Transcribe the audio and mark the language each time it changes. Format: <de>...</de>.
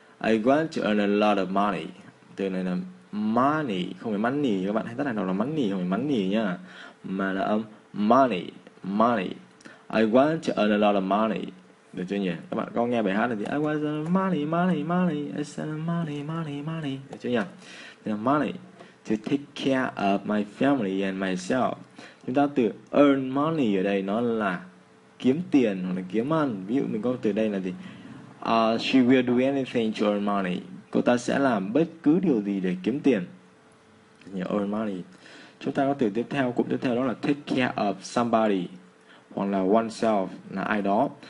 <en>I want to earn a lot of money.</en> <vi>Từ này là money, không phải money. Các bạn hay tất cả nào là money, không phải money nha, mà là âm money. Money.</vi> <en>I want to earn a lot of money.</en> <vi>Được chưa nhỉ? Các bạn có nghe bài hát này thì</vi> <en>I want to earn money, money, money. I want to earn money, money, money.</en> <vi>Được chưa nhỉ?</vi> <en>Là money to take care of my family and myself.</en> <vi>Chúng ta từ earn money ở đây nó là kiếm tiền hoặc là kiếm ăn. Ví dụ mình có từ đây là gì?</vi> <en>She will do anything to earn money.</en> <vi>Cô ta sẽ làm bất cứ điều gì để kiếm tiền. Earn money. Chúng ta có từ tiếp theo, cụm tiếp theo đó là take care of somebody hoặc là oneself, là ai đó.</vi>